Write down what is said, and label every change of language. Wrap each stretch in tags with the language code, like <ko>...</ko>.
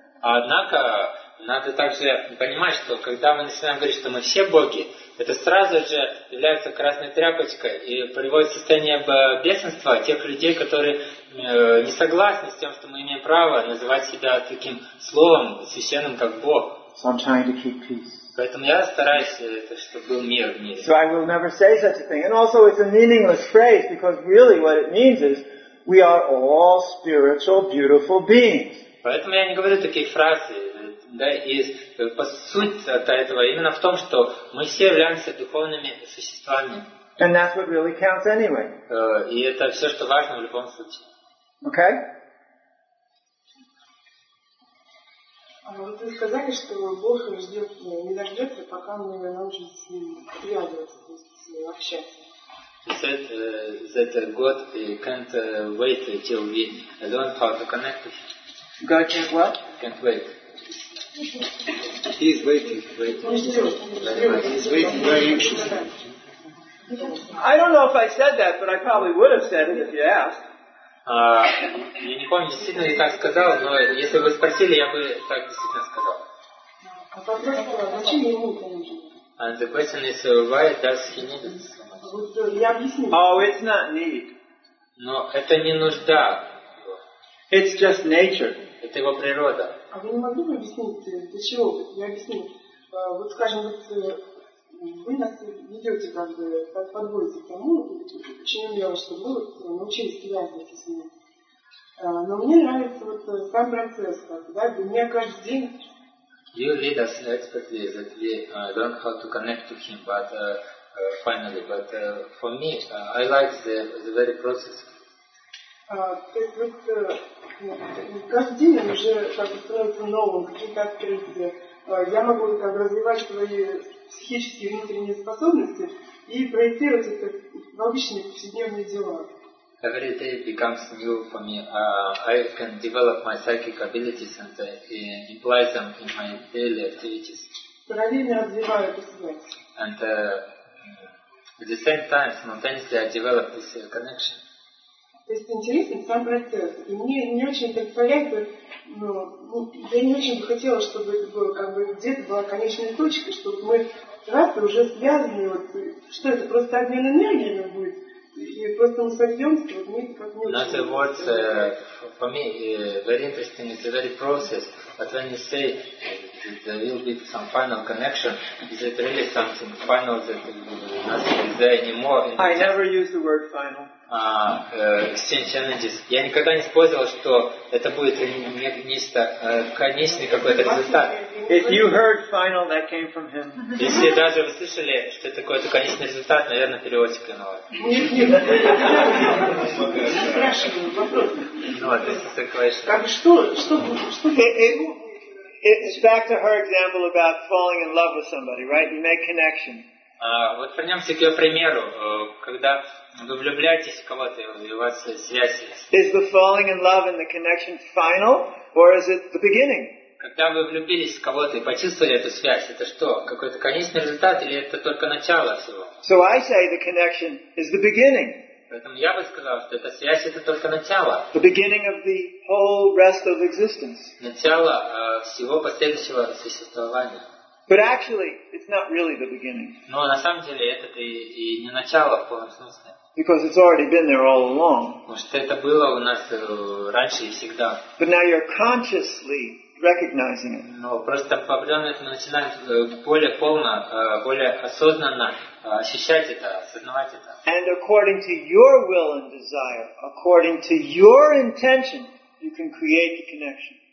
<ru>Однако надо также понимать, что когда мы начинаем говорить, что мы все боги, это сразу же является красной тряпочкой и приводит в состояние бешенства тех людей, которые не согласны с тем, что мы имеем право называть себя таким словом священным, как Бог.</ru> <en>So I'm trying to keep peace.</en> <ru>Поэтому я стараюсь, чтобы был мир в мире.</ru> <en>So I will never say such a thing. And also it's a meaningless phrase, because really what it means is we are all spiritual, beautiful beings.</en> <ru>Поэтому я не говорю такие фразы. Да, и по сути этого именно в том, что мы все являемся духовными существами.</ru> <en>And that's what really counts anyway.</en> <ru>И это все, что важно в любом случае.</ru> <en>Okay?</en> <ru>Вот вы сказали, что Бог ждет, не дождется, пока мы научимся с ним приятеться, то есть с ним общаться.</ru> <en>He said that God can't wait until we learn how to connect with him. God can't what? Can't wait. He's waiting. He's waiting very anxiously. I don't know if I said that, but I probably would have said it if you asked.</en> <ru>Я не помню, действительно ли так сказал, но если бы спросили, я бы так действительно сказал.</ru> <en>And the question is, why does he need it? Oh, it's not need.</en> <ru>Но это не нужда.</ru> <en>It's just nature.</en> <ru>Это его природа. А вы не могли бы объяснить, для чего? Я объясню. Вот, скажем, вот вы нас ведете, как бы, подводите к тому, почему я вас, что вы научились привязываться с ним. Но мне нравится вот сам процесс, как, да, мне каждый день.</ru> <en>You lead us expertly that we don't have to connect to him, but finally, but for me, I like the very process.</en> <ru>То есть вот каждый день он уже как бы строится новым, какие-то открытия, я могу как развивать свои психические внутренние способности и проецировать это в обычные повседневные дела.</ru> <en>Every day becomes new for me. I can develop my psychic abilities and apply them in my daily activities.</en> <ru>Параллельно развиваю эту связь.</ru> <en>And at the same time, simultaneously, I develop this connection.</en> <ru>То есть интересен сам процесс. И мне не очень так полезно, но ну, я не очень бы хотела, чтобы это было как бы где-то была конечная точка, чтобы мы сразу уже связаны. Вот, что это просто обмен энергиями будет?</ru> <en>In other words, for me, very interesting, it's a very process, but when you say there will be some final connection, is it really something final that nothing is there anymore? I never use the word final. Exchange energies.</en> <ru>Я никогда не использовал, что это будет нечто конечный какой-то результат.</ru> <en>If you heard final, that came from him.</en> <ru>Если даже вы слышали, что это какой-то конечный результат, наверное, переводчик виноват. Нет, нет.</ru> <en>It's back to her example about falling in love with somebody, right? You make connection.</en> <ru>Вот вернемся к ее примеру, когда вы влюбляетесь в кого-то, и у вас связь есть.</ru> <en>Is the falling in love and the connection final, or is it the beginning?</en> <ru>Когда вы влюбились в кого-то и почувствовали эту связь, это что, какой-то конечный результат или это только начало всего?</ru> <en>So I say the connection is the beginning.</en> <ru>Поэтому я бы сказал, что эта связь это только начало.</ru> <en>The beginning of the whole rest of existence.</en> <ru>Начало всего последующего существования.</ru> <en>But actually, it's not really the beginning.</en> <ru>Но на самом деле это и не начало в полном смысле.</ru> <en>Because it's already been there all along.</en> <ru>Потому что это было у нас раньше и всегда.</ru> <en>But now you're consciously recognizing it.</en> <ru>Но просто определенно это начинает более полно, более осознанно ощущать это, осознавать это.</ru> <en>And according to your will and desire, according to your intention, you can create the connection.</en>